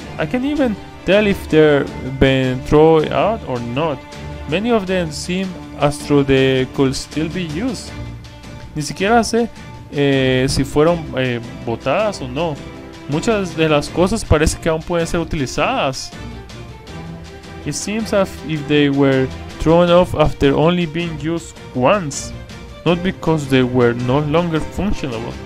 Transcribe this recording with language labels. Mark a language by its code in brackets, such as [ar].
[en] I can't even tell if they've been thrown out or not. Many of them seem as though they could still be used. [es] Ni siquiera sé si fueron botadas o no. Muchas de las cosas parece que aún pueden ser utilizadas. [en] It seems as if they were thrown off after only being used once, not because they were no longer functional.